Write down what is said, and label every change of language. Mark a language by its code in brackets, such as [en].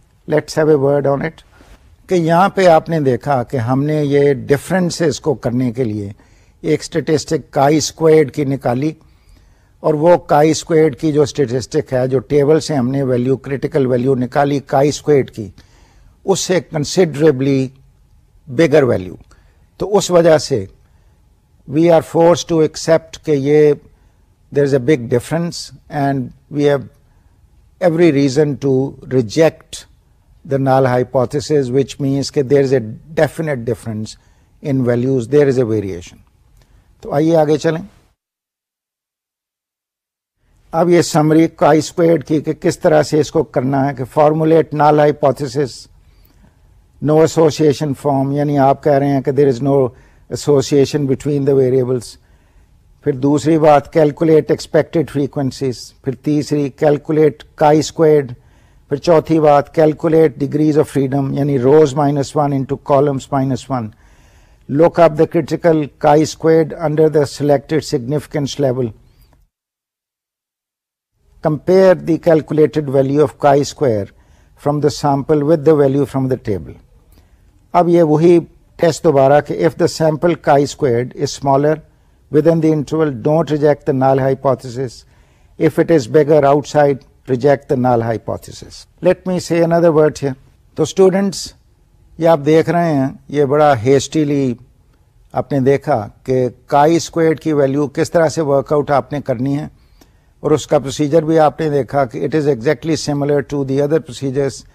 [en] Let's have a word on it. [ur] کہ یہاں پہ آپ نے دیکھا کہ ہم نے یہ ڈفرینسز کو کرنے کے لیے ایک اسٹیٹسٹک کائی اسکویئرڈ کی نکالی, اور وہ کائی اسکویئرڈ کی جو اسٹیٹسٹک ہے, جو ٹیبل سے ہم نے ویلیو کریٹیکل ویلیو نکالی کائی اسکویئرڈ کی, اس سے کنسیڈریبلی بگر ویلیو. تو اس وجہ سے [en] We are force to accept کہ یہ there is a big difference and we have every reason to reject the null hypothesis, which means کہ there is a definite difference in values, there is a variation. [ur] تو آئیے آگے چلیں. اب یہ سمری کائی اسکوائرڈ کی کہ کس طرح سے اس کو کرنا ہے, کہ فارمولیٹ نال ہائیپوتھیسز, نو ایسوسیشن فارم, یعنی آپ کہہ رہے ہیں کہ [en] There is no association between the variables. [ur] پھر دوسری بات, کیلکولیٹ ایکسپیکٹڈ فریکوینسیز. پھر تیسری, کیلکولیٹ کائی اسکوائرڈ. پھر چوتھی بات, کیلکولیٹ ڈگریز آف فریڈم, یعنی [en] Rows minus one into columns minus one. Look up the critical chi squared under the selected significance level. Compare the calculated value of chi square from the sample with the value from the table. [ur] اب یہ وہی test دوبارہ, کہ [en] if the sample chi squared is smaller within the interval, don't reject the null hypothesis. If it is bigger outside, reject the null hypothesis. Let me say another word here. [ur] تو students, یہ آپ دیکھ رہے ہیں, یہ بڑا hastily آپ نے دیکھا کہ chi squared کی value کس طرح سے work out آپ نے کرنی ہے, اور اس کا پروسیجر بھی آپ نے دیکھا کہ [en] It is exactly similar to the other procedures.